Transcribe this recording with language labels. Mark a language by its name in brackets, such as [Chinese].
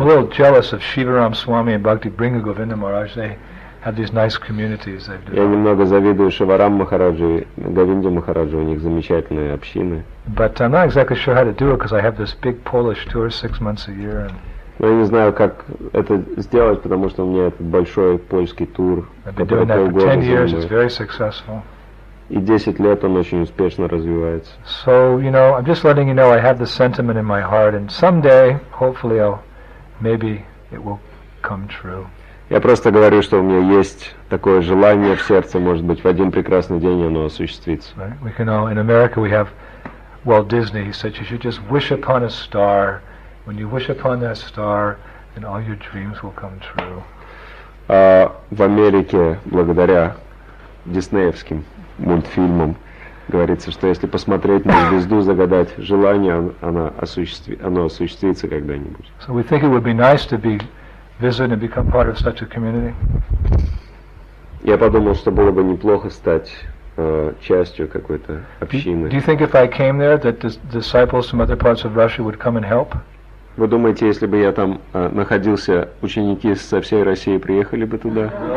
[English] I'm a little jealous of Shivaram Swami and Bhakti Bringa Govinda Maharaj. They have these nice communities. [Russian] Я немного завидую Шиварам Махараджу, Говинде Махараджу. У них замечательные общины. [English] But I'm not exactly sure how to do it because I have this big Polish tour 6 months a year. [Russian] Но я не знаю, как это сделать, потому что у меня этот большой польский тур. [English] I've been doing that for 10 years. It's very successful. [Russian] И 10 лет он очень успешно развивается. [English] So, you know, I'm just letting you know I have this sentiment in my heart and someday, hopefully, maybe it will come true. [Russian] Я просто говорю, что у меня есть такое желание в сердце, может быть, в один прекрасный день оно осуществится. [English] Right? We can all, in America we have Walt Disney, he said you should just wish upon a star. When you wish upon that star, then all your dreams will come true. [Russian] В Америке, благодаря диснеевским мультфильмом, говорится, что если посмотреть на звезду, загадать желание, оно осуществится когда-нибудь. [English] So we think it would be nice to be visited and become part of such a community. [Russian] Я подумал, что было бы неплохо стать частью какой-то общины. [English] Do you think if I came there that the disciples from other parts of Russia would come and help? [Russian] Вы думаете, если бы я там находился, ученики со всей России приехали бы туда?